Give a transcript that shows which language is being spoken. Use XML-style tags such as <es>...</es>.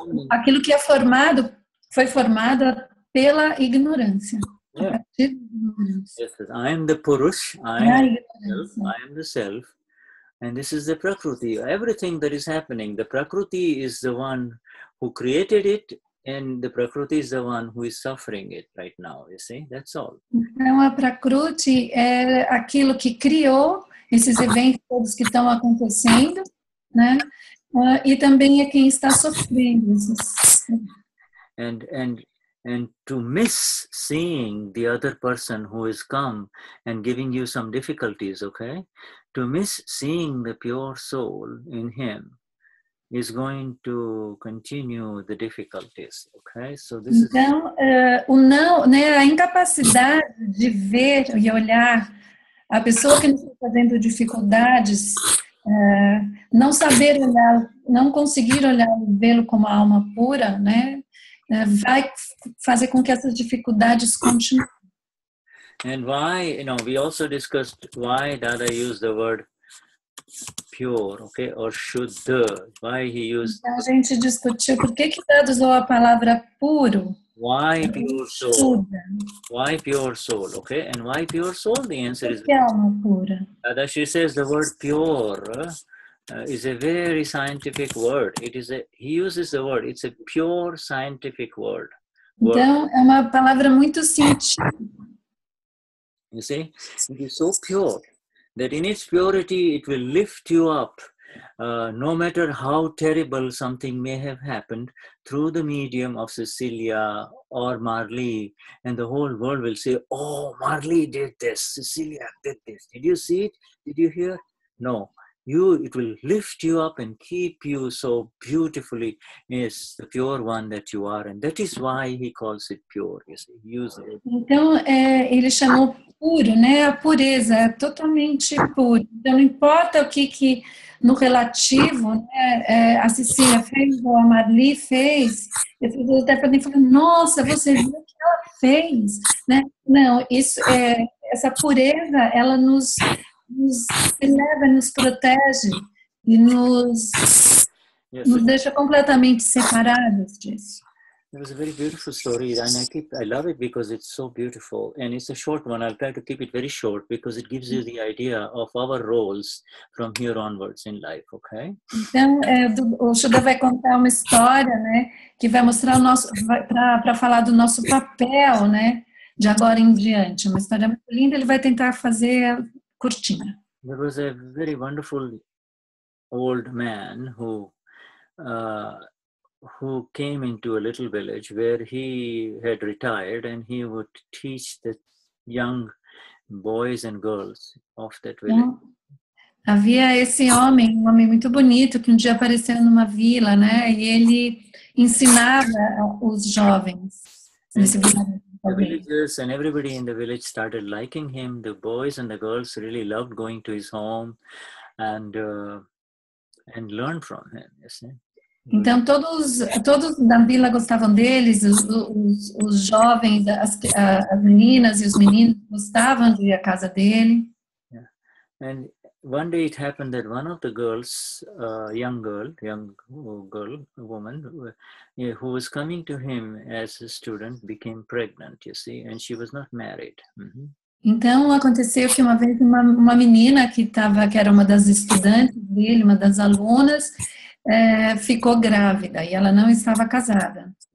<pt>Aquilo que é formado, foi formado pela ignorância.</pt> <en>Yeah. Yes, I am the Purush, I am the self. And this is the prakruti. Everything that is happening, the prakruti is the one who created it, and the prakruti is the one who is suffering it right now. You see, that's all.</en> <pt>Então a prakruti é aquilo que criou esses eventos todos que estão acontecendo, né? E também é quem está sofrendo.</pt> <en>And to miss seeing the other person who has come and giving you some difficulties, okay? To miss seeing the pure soul in him is going to continue the difficulties, okay? So this is...</en> <pt>Então, o não, né, a incapacidade de ver e olhar a pessoa que está fazendo dificuldades, não saber olhar, não conseguir olhar e vê-lo como a alma pura, né? Vai fazer com que essas dificuldades continuem.</pt> <en>And why, you know, we also discussed why Dada used the word pure, okay, or shuddha, why he used...</en> <pt>Então, a gente discutiu por que que Dada usou a palavra puro.</pt> <en>Why pure soul? Shuddha. Why pure soul, okay? And why pure soul? The answer is...</en> <pt>Que alma pura?</pt> <en>Dada, she says the word pure is a very scientific word. It is a... He uses the word, it's a pure scientific word.</en> <pt>Então, é uma palavra muito científica.</pt> <en>You see, it is so pure that in its purity it will lift you up, no matter how terrible something may have happened, through the medium of Cecilia or Marley, and the whole world will say, oh, Marley did this, Cecilia did this. Did you see it? Did you hear? No. It will lift you up and keep you so beautifully, yes, the pure one that you are. And that is why he calls it pure, yes, he uses it.</en> <pt>Então, ele chamou puro, né, a pureza, totalmente puro. Então, não importa o que que no relativo, né, a Cecília fez ou a Marli fez, as pessoas até podem falar, nossa, você viu o que ela fez, né? Não, isso, essa pureza, ela nos eleva, nos protege e nos deixa completamente separados disso.</pt> <en>It was a very beautiful story, and I love it because it's so beautiful. And it's a short one. I'll try to keep it very short because it gives you the idea of our roles from here onwards in life, okay?</en> <pt>Então, o Shuddha vai contar uma história, né, que vai mostrar o nosso, para falar do nosso papel, né, de agora em diante. Uma história muito linda, ele vai tentar fazer curtinha.</pt> <en>There was a very wonderful old man who came into a little village where he had retired, and he would teach the young boys and girls of that village.</en> <pt>Havia esse homem, um homem muito bonito, que um dia apareceu numa vila, né? E ele ensinava os jovens.</pt> <en>The villagers and everybody in the village started liking him. The boys and the girls really loved going to his home and learn from him, you see?</en> <pt>Então todos da vila gostavam deles, os jovens, as meninas e os meninos gostavam de ir à casa dele.</pt> <en>Yeah. And one day it happened that one of the girls, a young woman, who was coming to him as a student, became pregnant, you see, and she was not married. Mm-hmm.</en> <pt>Então aconteceu que uma vez uma menina que era uma das estudantes dele, uma das alunas, ficou grávida e ela não estava casada.</pt>